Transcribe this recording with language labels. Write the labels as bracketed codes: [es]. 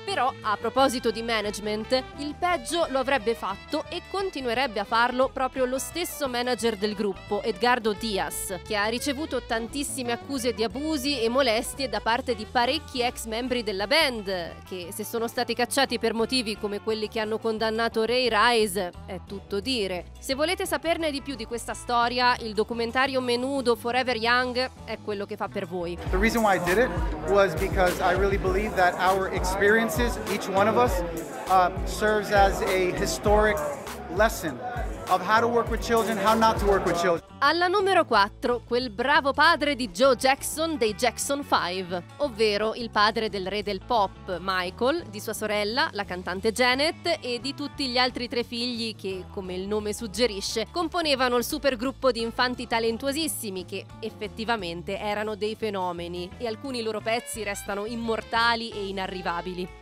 [it] Però, a proposito di management, il peggio lo avrebbe fatto e continuerebbe a farlo proprio lo stesso manager del gruppo, Edgardo Diaz, che ha ricevuto tantissime accuse di abuso e molestie da parte di parecchi ex membri della band, che se sono stati cacciati per motivi come quelli che hanno condannato Ray Rice, è tutto dire. Se volete saperne di più di questa storia, il documentario Menudo Forever Young è quello che fa per voi. [en] The reason why I did it was because I really believe that our experiences, each one of us, serves as a historic lesson of how to work with children, how not to work with children. [it] Alla numero 4, quel bravo padre di Joe Jackson dei Jackson 5, ovvero il padre del re del pop, Michael, di sua sorella, la cantante Janet, e di tutti gli altri tre figli che, come il nome suggerisce, componevano il supergruppo di infanti talentuosissimi che, effettivamente, erano dei fenomeni, e alcuni loro pezzi restano immortali e inarrivabili.